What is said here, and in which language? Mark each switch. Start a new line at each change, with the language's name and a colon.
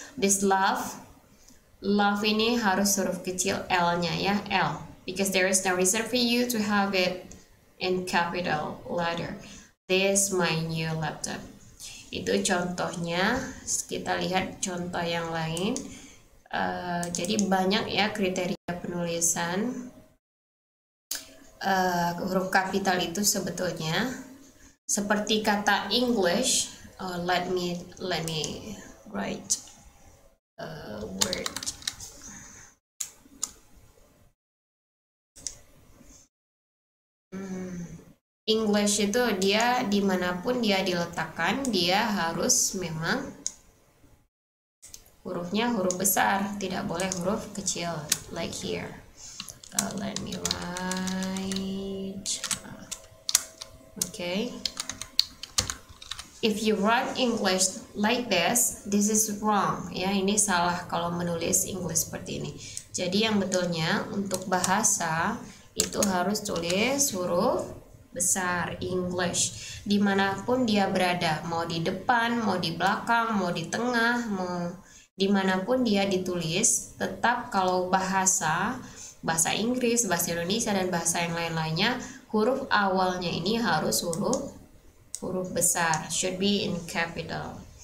Indonesian: This love ini harus huruf kecil L-nya, ya, L.
English: Because there is no reason for you to have it in capital letter. This my new laptop.
Indonesian: Itu contohnya, kita lihat contoh yang lain. Jadi banyak ya kriteria penulisan huruf kapital itu sebetulnya. Seperti kata
English: English, let me write a word.
Indonesian: English itu dia dimanapun dia diletakkan, dia harus memang hurufnya huruf besar, tidak boleh huruf kecil,
English: like here. Let me write. Okay. If you write English like this, this is wrong.
Indonesian: Ya, ini salah kalau menulis English seperti ini. Jadi yang betulnya untuk bahasa itu harus tulis huruf besar, English, dimanapun dia berada, mau di depan, mau di belakang, mau di tengah, mau dimanapun dia ditulis, tetap kalau bahasa Inggris, bahasa Indonesia, dan bahasa yang lain-lainnya, huruf awalnya ini harus huruf besar,
English: should be in capital.